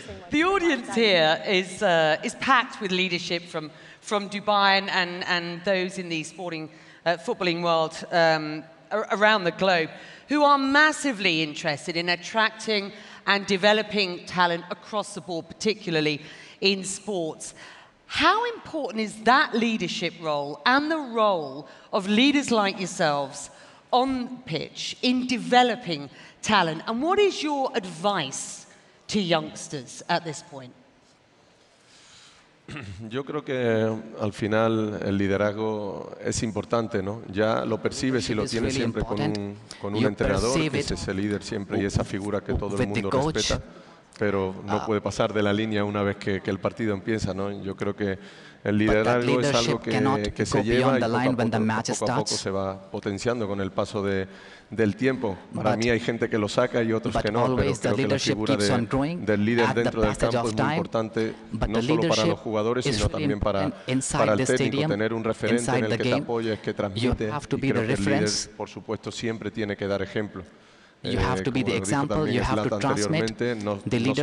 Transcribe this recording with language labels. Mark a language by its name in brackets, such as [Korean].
[English] The audience here is packed with leadership from Dubai and those in the sporting footballing world around the globe, who are massively interested in attracting and developing talent across the board, particularly in sports. How important is that leadership role and the role of leaders like yourselves on pitch in developing talent? And what is your advice to youngsters at this point? [Spanish] Yo creo que al final el liderazgo es importante, ¿no? Ya lo percibes y lo tienes siempre con un entrenador, que es ese líder siempre y esa figura que todo el mundo respeta. Pero no puede pasar de la línea una vez que el partido empieza, ¿no? Yo creo que el liderazgo es algo que se lleva y poco a poco se va potenciando con el paso del tiempo. Para mí hay gente que lo saca y otros que no, pero creo que la figura del líder dentro del campo es muy importante, no solo para los jugadores, sino también para el técnico. Tener un referente en el que te apoyes, que transmite, y creo que el líder, por supuesto, siempre tiene que dar ejemplo. [English] You have to be the example, you have to transmit the leadership.